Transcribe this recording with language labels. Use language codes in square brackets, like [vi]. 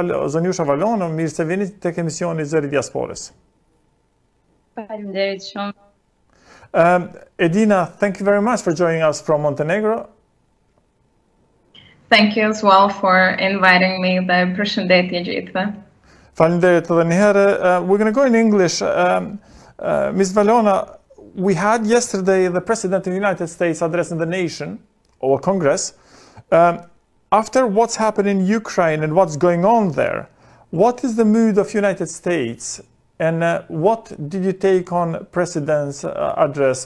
[sq] Zonjusha Valona, mirë se vini të kemisioni Zeri Diaspores. Faleminderit shumë. [en] Edina, thank you very much for joining us from Montenegro. Thank you as well for inviting me, [sq] dhe përshëndet një gjithve. Faleminderit edhe një herë. [en] We're going to go in English. Ms. Valona, we had yesterday the President of the United States addressing the nation or Congress. After what's happened in Ukraine and what's going on there, what is the mood of United States, and what did you take on President's address?